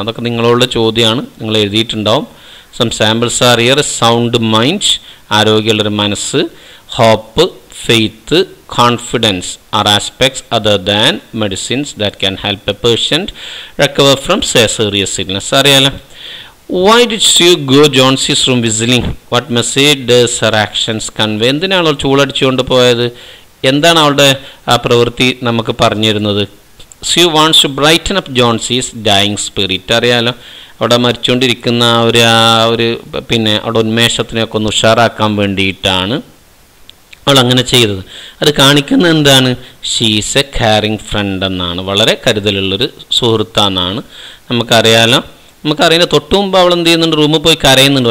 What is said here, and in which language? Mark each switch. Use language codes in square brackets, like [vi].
[ml] അതൊക്കെ നിങ്ങളോടുള്ള ചോദ്യമാണ്, നിങ്ങൾ എഴുതിയിട്ടുണ്ടാവും. [en] some samples are here, sound mind, [ml] ആരോഗ്യമുള്ളൊരു മനസ്സ്, [en] Hope, faith, confidence are aspects other than medicines that can help a patient recover from serious illness. [ml] അറിയാലോ. [en] Why did she go Johnsy's room whistling? What message does her actions convey? [ml] എന്തിനാണ് അവൾ ചൂളടിച്ചുകൊണ്ട് പോയത്? എന്താണ് അവളുടെ ആ പ്രവൃത്തി നമുക്ക് പറഞ്ഞിരുന്നത്? [en] She wants to brighten up Johnsy's dying spirit. [ml] അറിയാലോ, അവിടെ മരിച്ചുകൊണ്ടിരിക്കുന്ന ആ ഒരു പിന്നെ അവിടെ ഉന്മേഷത്തിനെയൊക്കെ ഒന്ന് ഉഷാറാക്കാൻ വേണ്ടിയിട്ടാണ് അവൾ അങ്ങനെ ചെയ്തത്. അത് കാണിക്കുന്നത് എന്താണ്? [en] she's a caring friend [ml] എന്നാണ്, വളരെ കരുതലുള്ളൊരു സുഹൃത്താന്നാണ്. നമുക്കറിയാലോ, നമുക്കറിയാം തൊട്ടു മുമ്പ് അവൾ എന്ത് ചെയ്യുന്നുണ്ട്, റൂമിൽ പോയി കരയുന്നുണ്ട്.